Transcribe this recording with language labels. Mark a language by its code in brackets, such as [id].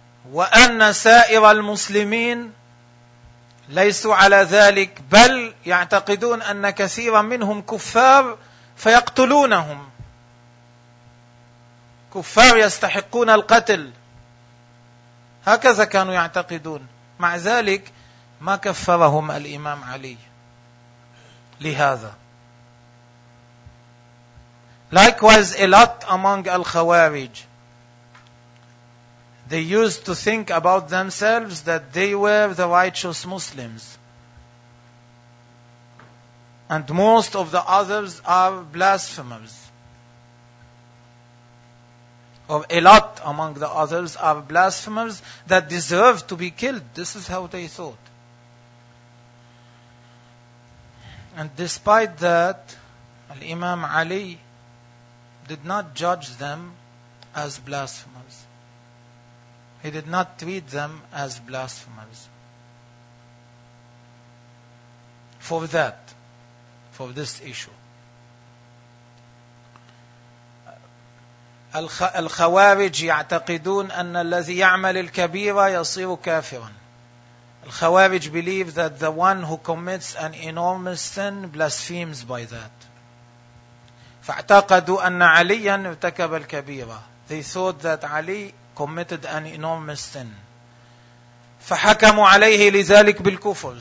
[ar] وأن سائر المسلمين ليسوا على ذلك بل يعتقدون أن كثيرا منهم كفار فيقتلونهم كفار يستحقون القتل هكذا كانوا يعتقدون مع ذلك ما كفرهم الإمام علي لهذا. [en] Likewise, a lot among al-Khawarij, they used to think about themselves that they were the righteous Muslims, and most of the others are blasphemers. Or a lot among the others are blasphemers that deserve to be killed. This is how they thought. And despite that, Imam Ali did not judge them as blasphemers. He did not treat them as blasphemers. For that, for this issue. [ar] Al-Khawarij يعتقدون أن الذي يعمل الكبيرة يصير كافرا. [en] Al-Khawarij believe that the one who commits an enormous sin blasphemes by that. [ar] فَاعْتَقَدُوا أَنَّ عَلِيًّا ارْتَكَبَ الْكَبِيرَةِ. [en] They thought that Ali committed an enormous sin. [ar] فَحَكَمُوا عَلَيْهِ لِذَلِكَ بِالْكُفُرِ.